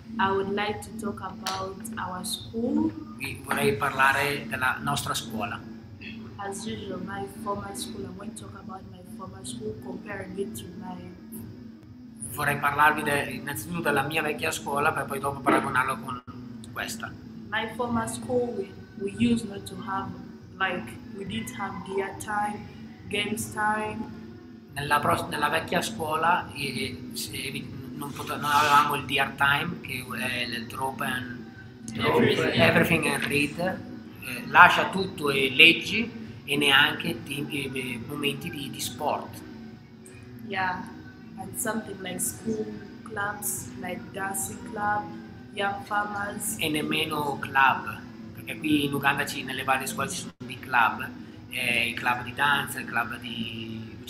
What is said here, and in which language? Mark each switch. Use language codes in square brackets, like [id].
[en] I would like to talk about our school. [it] Vi vorrei parlare della nostra scuola. [en] As usual, my former school. I want to talk about my former school, comparing it to my. [it] Vorrei parlarvi innanzitutto della mia vecchia scuola, per poi dopo paragonarlo con questa. [en] My former school, we used not to have, like, we didn't have gear time, games time. [it] Nella vecchia scuola, non avevamo il DR time, che è il [en] drop and everything and read, [it] lascia tutto e leggi, e neanche momenti di sport. [en] Yeah, and something like school clubs, like dancing club, young farmers. [it] E nemmeno club, perché qui in Uganda nelle varie scuole ci sono dei club, il club di danza, il club di